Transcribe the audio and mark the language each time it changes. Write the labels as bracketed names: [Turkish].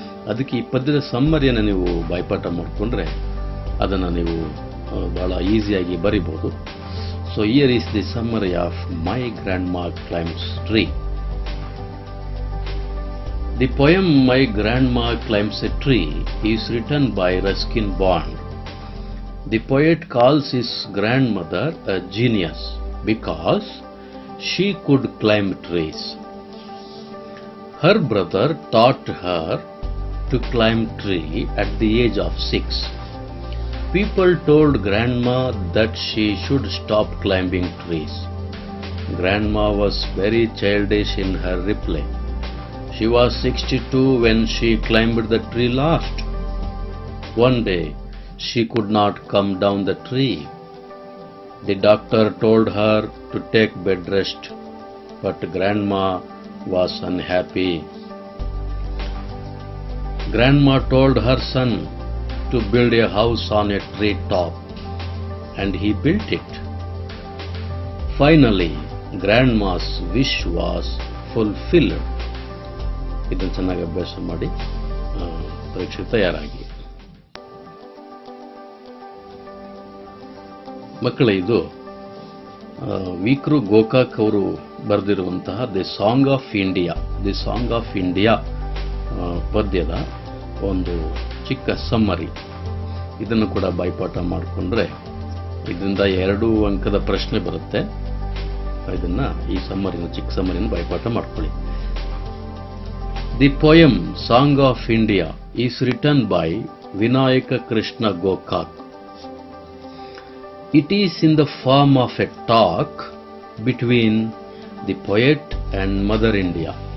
[Kannada] ಅದಕ್ಕೆ ಈ ಪದ್ಯದ ಸಮ್ಮರಿಯನ್ನು ನೀವು ಬಾಯ್ಪಾಠ ಮಾಡಿಕೊಂಡ್ರೆ ಅದನ್ನು ನೀವು ಭಾಳ ಈಸಿಯಾಗಿ ಬರೀಬೋದು. [English] So here is the summary of my grandma climbs tree. The poem my grandma climbs a tree is written by Ruskin Bond. The poet calls his grandmother a genius because she could climb trees. Her brother taught her to climb tree at the age of 6. People told grandma that she should stop climbing trees. Grandma was very childish in her reply. She was 62 when she climbed the tree last. One day, she could not come down the tree. The doctor told her to take bed rest, but grandma was unhappy. Grandma told her son to build a house on a tree top, and he built it. Finally, grandma's wish was fulfilled. [Kannada] ಇದನ್ನು ಚೆನ್ನಾಗಿ ಅಭ್ಯಾಸ ಮಾಡಿ ಪರೀಕ್ಷೆಗೆ ತಯಾರಾಗಿ. ಮಕ್ಕಳ ಇದು ವಿಕ್ರು ಗೋಕಾಕ್ ಅವರು ಬರೆದಿರುವಂತಹ ದಿ ಸಾಂಗ್ ಆಫ್ ಇಂಡಿಯಾ ಪದ್ಯದ ಒಂದು ಚಿಕ್ಕ ಸಮ್ಮರಿ. ಇದನ್ನು ಕೂಡ ಬೈಪಾಠ ಮಾಡಿಕೊಂಡ್ರೆ ಇದರಿಂದ ಎರಡೂ ಅಂಕದ ಪ್ರಶ್ನೆ ಬರುತ್ತೆ. ಇದನ್ನು ಈ ಸಮ್ಮರಿನ ಚಿಕ್ಕ ಸಮ್ಮರಿನ ಬೈಪಾಠ ಮಾಡ್ಕೊಳ್ಳಿ. [English] The poem Song of India is written by Vinayaka Krishna Gokak. It is in the form of a talk between the poet and Mother India.